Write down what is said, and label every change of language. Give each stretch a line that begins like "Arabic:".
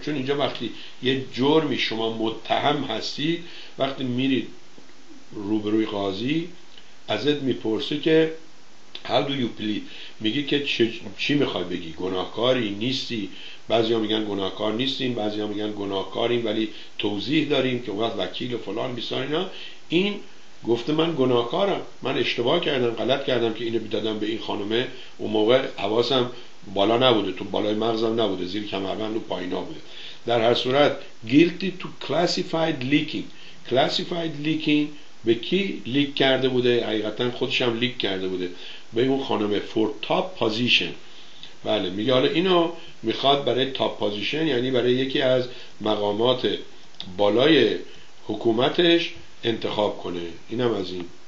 Persian: چون اینجا وقتی یه جرمی شما متهم هستی، وقتی میرید روبروی قاضی ازت میپرسه که
English: How do you plead؟
Persian: میگه که چی میخوای بگی؟ گناهکاری نیستی؟ بعضیا میگن گناهکار نیستیم، بعضیا میگن گناهکاریم ولی توضیح داریم که وقت وکیل و فلان بیسار اینا. این گفته من گناهکارم، من اشتباه کردم، غلط کردم که اینو بدادم به این خانومه. اون موقع حواسم بالا نبوده، تو بالای مغزم نبوده، زیر کمربند و پایینا بوده. در هر صورت
English: guilty to classified leaking. classified leaking
Persian: به کی لیک کرده بوده؟ حقیقتا خودش هم لیک کرده بوده به اون خانم
English: For top position.
Persian: بله میگه حالا اینو میخواد برای تاپ پوزیشن، یعنی برای یکی از مقامات بالای حکومتش انتخاب کنه. اینم از این.